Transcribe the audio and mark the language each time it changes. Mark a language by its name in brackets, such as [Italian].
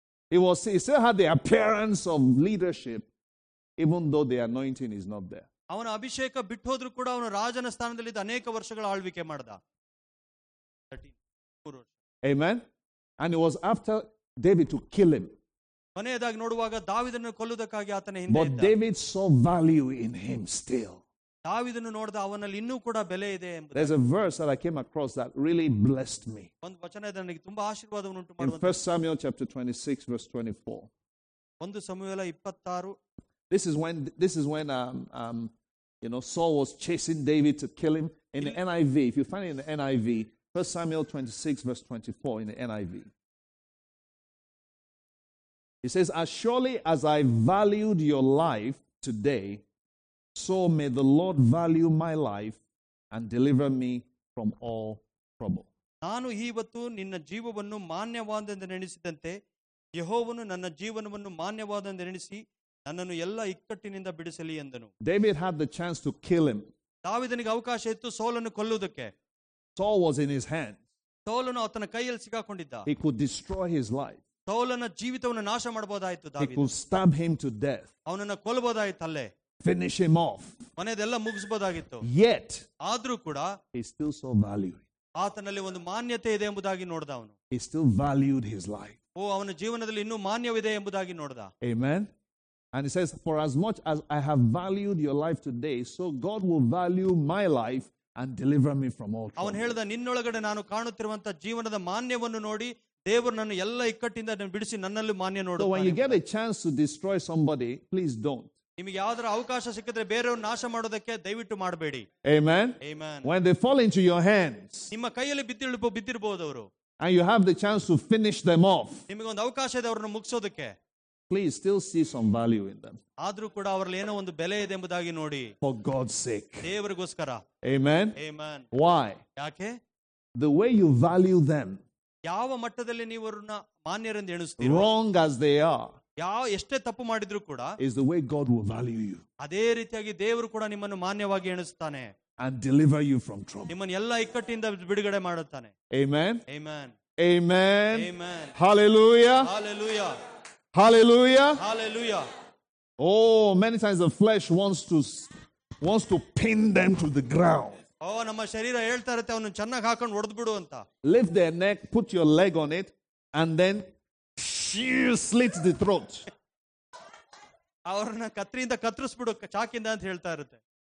[English] He still had the appearance of leadership, even though the anointing is not there. [Kannada] ಅವನ ಅಭಿಷೇಕ ಬಿಟ್ಟು ಹೋದ್ರೂ ಕೂಡ ಅವನು ರಾಜನ ಸ್ಥಾನದಲ್ಲಿ ಇದ್ದ, ಅನೇಕ ವರ್ಷಗಳ ಆಳ್ವಿಕೆ ಮಾಡಿದ. [English] Amen. And it was after David to kill him. [Kannada] ಕೊನೆಯದಾಗಿ ನೋಡುವಾಗ ದಾವಿದನ್ನು ಕೊಲ್ಲುವುದಕ್ಕಾಗಿ ಆತನ ಹಿಂದೆ. [English] But David saw value in him still. [Kannada] ದಾವಿದನ್ನು ನೋಡಿದ ಅವನಲ್ಲಿ ಇನ್ನೂ ಕೂಡ ಬೆಲೆ ಇದೆ ಎಂಬುದು. [English] There's a verse that I came across that really blessed me. [Kannada] ಒಂದು ವಚನ ಇದೆ ನನಗೆ ತುಂಬಾ ಆಶೀರ್ವಾದವನ್ನು ಉಂಟು ಮಾಡುವಂತ. [English] 1 Samuel chapter 26 verse 24. [Kannada] ಒಂದು ಸಮುವೇಲ 26. [English] This is when you know, Saul was chasing David to kill him. In the NIV, if you find it in the NIV, 1 Samuel 26 verse 24 in the NIV. He says, as surely as I valued your life today, so may the Lord value my life and deliver me from all trouble. [Kannada] ನಾನು ಈವತ್ತು ನಿನ್ನ ಜೀವವನ್ನು ಮಾನ್ಯವಾದಂತೆ ನೆನೆಸಿದಂತೆ ಯೆಹೋವನು ನನ್ನ ಜೀವನವನ್ನು ಮಾನ್ಯವಾದಂತೆ ನೆನೆಸಿ ನನ್ನನ್ನು ಎಲ್ಲ ಇಕ್ಕಟ್ಟಿನಿಂದ ಬಿಡಿಸಲಿ ಎಂದನು. [English] David had the chance to kill him. [Kannada] ದಾವಿದನಿಗೆ ಅವಕಾಶ ಇತ್ತು ಸೌಲನ್ನು ಕೊಲ್ಲುವುದಕ್ಕೆ. [English] Saul was in his hands. [Kannada] ಸೌಲನು ಆತನ ಕೈಯಲ್ಲಿ ಸಿಕ್ಕಾಕೊಂಡಿದ್ದ. [English] He could destroy his life. [Kannada] ಸೌಲನ ಜೀವಿತವನ್ನು ನಾಶ ಮಾಡಬಹುದಾಯಿತು. [English] He could stab him to death. [Kannada] ಅವನನ್ನು ಕೊಲ್ಲಬಹುದಾಯಿತು ಅಲ್ಲೇ. [English] Finish him off. [Kannada] ಮನೆದೆಲ್ಲ ಮುಗಿಸಬಹುದಾಗಿತ್ತು. [English] Yet [Kannada] ಆದರೂ ಕೂಡ [English] he still so valued. [Kannada] ಆತನಲ್ಲಿ ಒಂದು ಮಾನ್ಯತೆ ಇದೆ ಎಂಬುದಾಗಿ ನೋಡಿದ ಅವನು. [English] He still valued his life. [Kannada] ಓ ಅವನ ಜೀವನದಲ್ಲಿ ಇನ್ನೂ ಮಾನ್ಯವಿದೆ ಎಂಬುದಾಗಿ ನೋಡಿದ. [English] Amen. And he says, for as much as I have valued your life today, so God will value my life and deliver me from all trouble. [Kannada] ಅವನು ಹೇಳಿದ ನಿನ್ನೊಳಗಡೆ ನಾನು ಕಾಣುತ್ತಿರುವಂತ ಜೀವನದ ಮಾನ್ಯವನ್ನು ನೋಡಿ ದೇವರು ನನ್ನ ಎಲ್ಲ ಇಕ್ಕಟ್ಟಿಂದ ಬಿಡಿಸಿ ನನ್ನಲ್ಲಿ ಮಾನ್ಯ ನೋಡು. [English] So when you get a chance to destroy somebody, please don't. [Kannada] ನಿಮಗೆ ಯಾವ್ದಾದ್ರು ಅವಕಾಶ ಸಿಕ್ಕಿದ್ರೆ ಬೇರೆಯವ್ರು ನಾಶ ಮಾಡೋದಕ್ಕೆ ದಯವಿಟ್ಟು ಮಾಡಬೇಡಿ. [English] Amen. Amen. When they fall into your hands, [Kannada] ನಿಮ್ಮ ಕೈಯಲ್ಲಿ ಬಿದ್ದಿರಬಹುದು ಅವರು. [English] And you have the chance to finish them off. [Kannada] ನಿಮಗೆ ಒಂದು ಅವಕಾಶ ಇದೆ ಅವರನ್ನು ಮುಗಿಸೋದಕ್ಕೆ. [English] Please still see some value in them. [Kannada] ಆದರೂ ಕೂಡ ಅವರಲ್ಲಿ ಏನೋ ಒಂದು ಬೆಲೆ ಇದೆ ಎಂಬುದಾಗಿ ನೋಡಿ. [English] For God's sake. [Kannada] ದೇವರಿಗೋಸ್ಕರ. [English] Amen. Amen. Why? [Kannada] ಯಾಕೆ? [English] The way you value them. [Kannada] ಯಾವ ಮಟ್ಟದಲ್ಲಿ ನೀವು ಅವರನ್ನು ಮಾನ್ಯರೆಂದು ಎಣಿಸ್ತೀರಿ? [English] Wrong as they are. [Kannada] ಯಾವ ಎಷ್ಟೇ ತಪ್ಪು ಮಾಡಿದ್ರು ಕೂಡ [English] is the way God will value you. [Kannada] ಅದೇ ರೀತಿಯಾಗಿ ದೇವರು ಕೂಡ ನಿಮ್ಮನ್ನು ಮಾನ್ಯವಾಗಿ ಎಣಿಸುತ್ತಾನೆ. [English] And deliver you from trouble. [Kannada] ನಿಮ್ಮನ್ನು ಎಲ್ಲ ಇಕ್ಕಟ್ಟಿಂದ ಬಿಡುಗಡೆ ಮಾಡುತ್ತಾನೆ. [English] Amen. Amen. Amen. Amen. Hallelujah. Hallelujah. Hallelujah. Hallelujah. Oh, many times the flesh wants to pin them to the ground. [Kannada] ಓ ನಮ್ಮ ಶರೀರ ಹೇಳ್ತಾ ಇರುತ್ತೆ ಅವನು ಚೆನ್ನಾಗಿ ಹಾಕೊಂಡು ಹೊಡೆದು ಬಿಡು ಅಂತ. [English] Lift their neck, put your leg on it, and then you slit the throat. [Kannada] ಅವರನ್ನ ಕತ್ರಿಯಿಂದ ಕತ್ತರಿಸ್ಬಿಡು ಚಾಕಿಂದ ಅಂತ ಹೇಳ್ತಾ ಇರುತ್ತೆ.